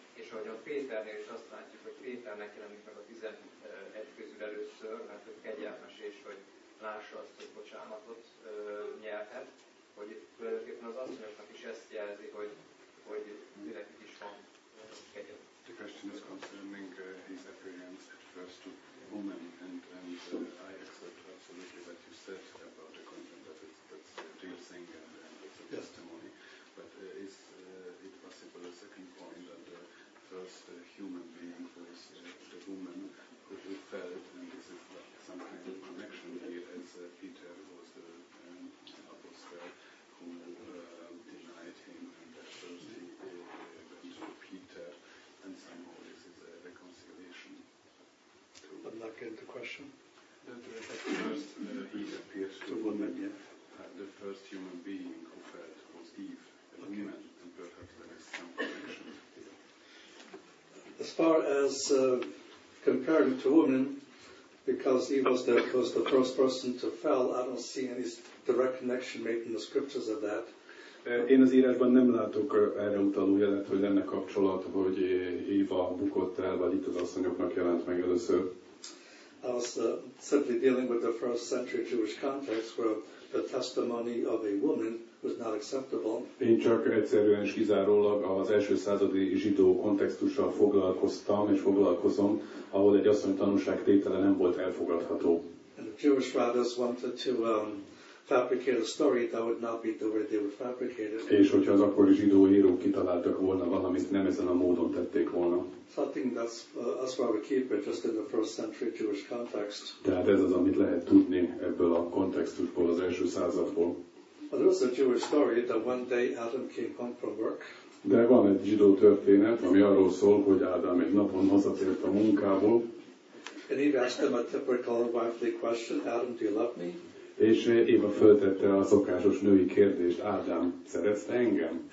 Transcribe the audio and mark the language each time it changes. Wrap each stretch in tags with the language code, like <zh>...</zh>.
<hu>És ahogy a Péternél is azt látjuk, hogy Péternek jelenik meg a 11 közül először, mert hogy kegyelmes és hogy lássa azt, hogy bocsánatot nyerhet, hogy tulajdonképpen az asszonyoknak is ezt jelzi, hogy, hogy mindenkit is van kegyelme.</hu> <en>The question is concerning his appearance at first to women, and I accept absolutely what you said about the content that it's piercing and it's a testimony. But is it possible a second point that the first human being was the woman who felt, and is it some kind of connection here as Peter was the apostle who denied him, and at first he went to Peter. And somehow this is a reconciliation. I'm not getting the question. The first, Eve appears to woman, the first human being who felt was Eve, a woman, and perhaps there is some connection. As far as comparing to women, because Eve was the first person to fell, I don't see any direct connection made in the scriptures of that.</en> <hu>Én az írásban nem látok erre utaló jelet, hogy lenne kapcsolat, hogy Éva bukott el, vagy itt az asszonyoknak jelent meg először.</hu> <en>I was simply dealing with the first century Jewish context where the testimony of a woman was not acceptable.</en> <hu>Én csak egyszerűen és kizárólag az első századi zsidó kontextussal foglalkoztam és foglalkozom, ahol egy asszony tanúság tétele nem volt elfogadható.</hu> <en>And the Jewish writers wanted to fabricate a story that would not be the way they were fabricated.</en> <hu>És hogyha az akkori zsidó írók kitaláltak volna valamit, nem ezen a módon tették volna.</hu> <en>So I think that's why we keep it just in the first century Jewish context.</en> <hu>Tehát ez az, amit lehet tudni ebből a kontextusból, az első századból.</hu> <en>But there was a Jewish story that one day Adam came home from work.</en> <hu>De van egy zsidó történet, ami arról szól, hogy Ádám egy napon hazatért a munkából.</hu> <en>And Eve asked him a typical wifely question, Adam, do you love me?</en> <hu>És Éva föltette a szokásos női kérdést, Ádám, szeretsz te engem?</hu>